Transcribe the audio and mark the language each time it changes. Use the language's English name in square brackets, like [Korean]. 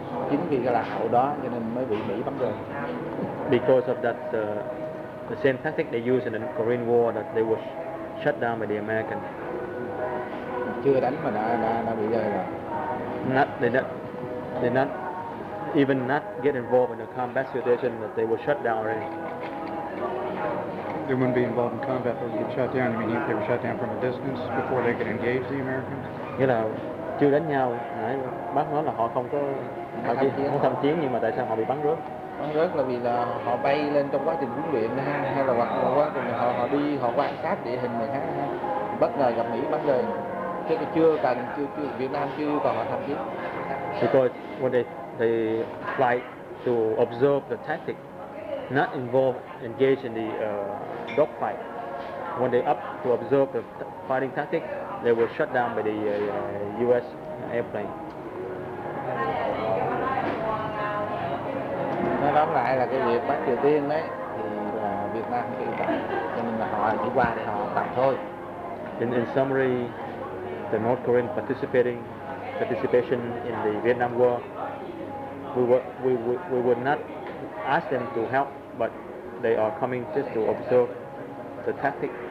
[Vietnamese] Chính vì cái lạc hậu đó cho nên mới bị Mỹ bắn rơi. [English] Because of that the same tactic they used in the Korean War that they were shut down by the Americans. [Vietnamese] Chưa đánh mà đã bị rơi rồi. [English] They did not get involved in the combat situation that they were shut down already. They wouldn't be involved in combat but get shut down. You mean if they were shut down from a distance before they could engage the Americans? [Vietnamese] Nghĩa là chưa đánh nhau, bác nói là họ không có tham chiến nhưng mà tại sao họ bị bắn rớt? Bắn rớt là vì là họ bay lên trong quá trình huấn luyện ha, hay là hoặc là quá trình họ đi quan sát địa hình này ha, bất ngờ gặp Mỹ bắn rơi, chứ chưa Việt Nam chưa còn họ tham chiến. [English] Because when they fly to observe the tactic, not involved engage in the dogfight. When they up to observe the fighting tactic, they were shut down by the U.S. airplane. [Vietnamese] Tóm lại là cái việc bắt Triều Tiên đấy thì là Việt Nam chịu cả, cho nên là họ chỉ qua để họ tập thôi. [English] In summary, the North Korean participation in the Vietnam War, we would not ask them to help, but they are coming just to observe the tactic.